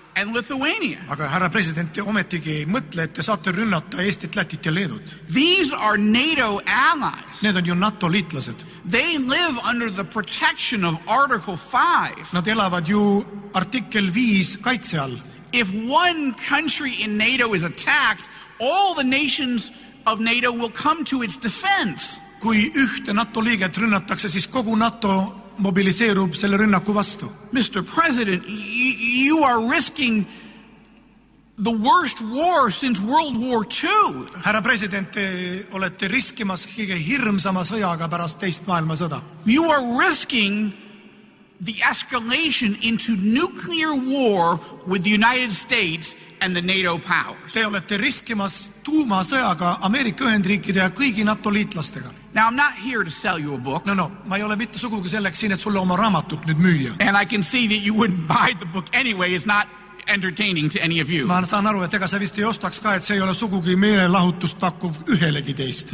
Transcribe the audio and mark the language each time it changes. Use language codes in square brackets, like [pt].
[en] and Lithuania. [et] Aga härra president, te ometigi mõtle, et te saate rünnata Eestit, Lätit ja Leedut. [en] These are NATO allies. [et] Need on ju NATO liitlased. [en] They live under the protection of Article 5. [et] Nad elavad ju artikkel 5 kaitse all. [en] If one country in NATO is attacked, all the nations of NATO will come to its defense. [et] Kui ühte NATO liiget rünnatakse, siis kogu NATO mobiliseerub selle rünnaku vastu. [en] Mr. President, you are risking the worst war since World War II. [et] Härra president, te olete riskimas kõige hirmsama sõjaga pärast teist maailmasõda. [en] You are risking the escalation into nuclear war with the United States and the NATO powers. [et] Te olete riskimas tuumasõjaga Ameerika Ühendriikide ja kõigi NATO liitlastega. [en] Now I'm not here to sell you a book. [et] No, ma ei ole mitte sugugi selleks siin, et sulle oma raamatut nüüd müüa. [en] And I can see that you wouldn't buy the book anyway. It's not entertaining to any of you. [et] Ma saan aru, et ega sa vist ei ostaks ka, et see ei ole sugugi meelelahutust pakkuv ühelegi teist.